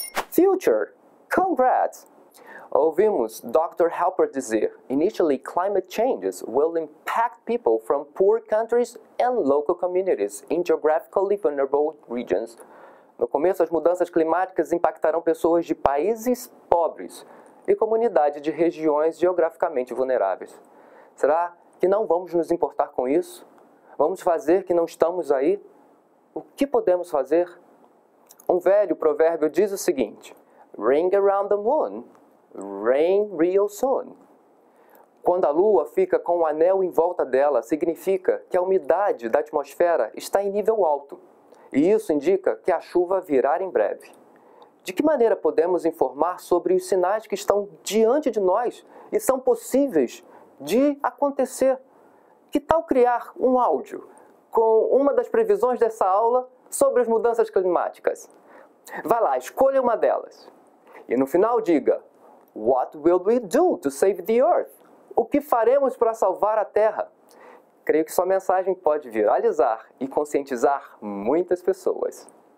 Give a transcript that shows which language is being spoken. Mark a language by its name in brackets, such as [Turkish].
[English] Future, congrats! [Portuguese] Ouvimos Dr. [English] Helper dizer, initially climate changes will impact people from poor countries and local communities in geographically vulnerable regions. [Portuguese] No começo, as mudanças climáticas impactarão pessoas de países pobres e comunidades de regiões geograficamente vulneráveis. Será que não vamos nos importar com isso? Vamos fazer que não estamos aí? O que podemos fazer? Um velho provérbio diz o seguinte, [English] Ring around the moon. Rain real soon. [Portuguese] Quando a lua fica com um anel em volta dela, significa que a umidade da atmosfera está em nível alto. E isso indica que a chuva virá em breve. De que maneira podemos informar sobre os sinais que estão diante de nós e são possíveis de acontecer? Que tal criar um áudio com uma das previsões dessa aula sobre as mudanças climáticas? Vá lá, escolha uma delas. E no final diga, [English] What will we do to save the earth? [Portuguese] O que faremos para salvar a Terra? Creio que sua mensagem pode viralizar e conscientizar muitas pessoas.